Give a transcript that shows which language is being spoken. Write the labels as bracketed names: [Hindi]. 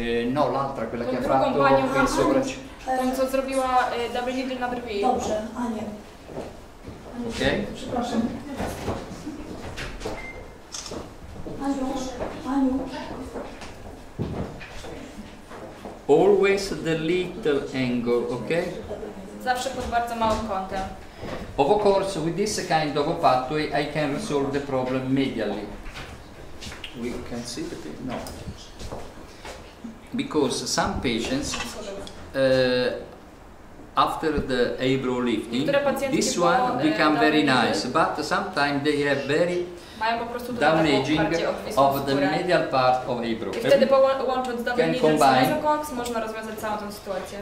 [Italian] No, l'altra, quella che ha fatto il sopracciglio. [Polish] Tam co zrobiła double needle na brwi. Dobrze, a nie. Ok. Przepraszam. Aniu, Aniu. [English] Always the little angle, ok? [Polish] Zawsze pod bardzo małym kątem. [English] Of course, with this kind of a pathway, I can resolve the problem medially. We can see the thing. No. Because some patients after the eyebrow lifting, this one become very nice, but sometimes they have very damaging of the medial part of eyebrow. [Polish] I wtedy połącząc double needle z mesocox można rozwiązać całą tę sytuację.